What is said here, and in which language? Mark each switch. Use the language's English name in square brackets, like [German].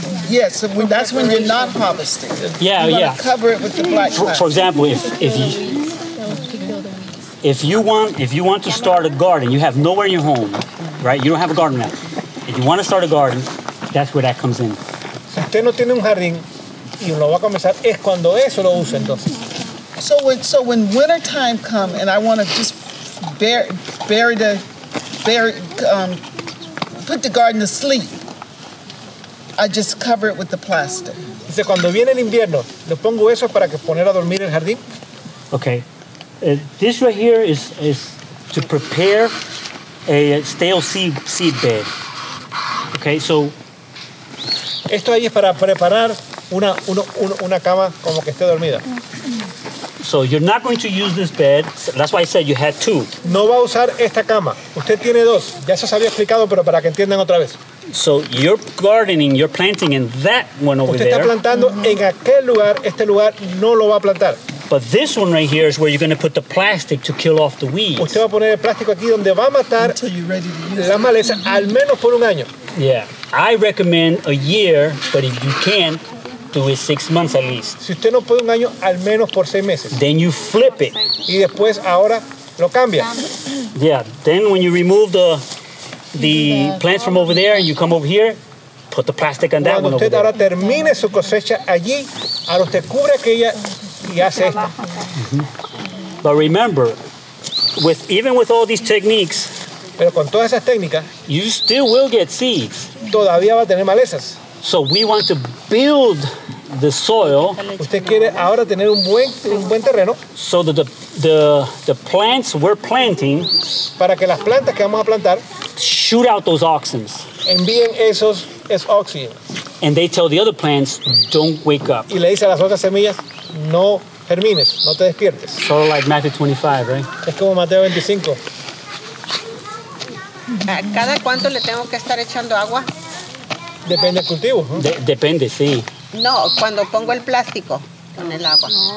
[English] Yes, yeah, so that's when you're not harvesting. Yeah, you yeah. You cover it with the black cover. For example, if you want to start a garden, you have nowhere in your home, right? You don't have a garden now. If you want to start a garden, that's where that comes in. [Spanish] Si usted no tiene un jardín y lo va a comenzar, es cuando eso lo usa entonces. [English] So when winter time comes and I want to just put the garden to sleep, I just cover it with the plastic. [Spanish] Dice cuando viene el invierno, le pongo eso para que poner a dormir el jardín. [English] Okay, this right here is to prepare a stale seed bed. Okay, so [Spanish] esto ahí es para preparar una cama como que esté dormida. [English] So you're not going to use this bed. That's why I said you had two. [Spanish] No va a usar esta cama. Usted tiene dos. Ya se os había explicado, pero para que entiendan otra vez. [English] So you're gardening, you're planting in that one over there. [Spanish] Usted está plantando en aquel lugar. Este lugar no lo va a plantar. [English] But this one right here is where you're going to put the plastic to kill off the weeds. [Spanish] Usted va a poner el plástico aquí donde va a matar la maleza al menos por un año. [English] Yeah, I recommend a year, but if you can't, do it 6 months at least. [Spanish] Si usted no puede un año, al menos por 6 meses. [English] Then you flip it. [Spanish] Y después ahora lo cambia. [English] Yeah. Then when you remove the plants from over there and you come over here, put the plastic on [Spanish] cuando [English] that one over there. [Spanish] Cuando usted ahora termine su cosecha allí, ahora usted cubre aquella y hace esto. [English] But remember, even with all these techniques, [Spanish] pero con todas esas técnicas, [English] you still will get seeds. [Spanish] Todavía va a tener malezas. [English] So we want to build the soil. [Spanish] Usted quiere ahora tener un buen terreno. [English] So that the plants we're planting, [Spanish] para que las plantas que vamos a plantar, [English] shoot out those auxins. [Spanish] Envíen esos auxins. [English] And they tell the other plants, don't wake up. [Spanish] Y le dice a las otras semillas, no germines, no te despiertes. [English] Sort of like Matthew 25, right? [Spanish] Es como Mateo 25. ¿Cada cuánto le tengo que estar echando agua? Depende del cultivo. ¿Eh? Depende, sí. No, cuando pongo el plástico con el agua.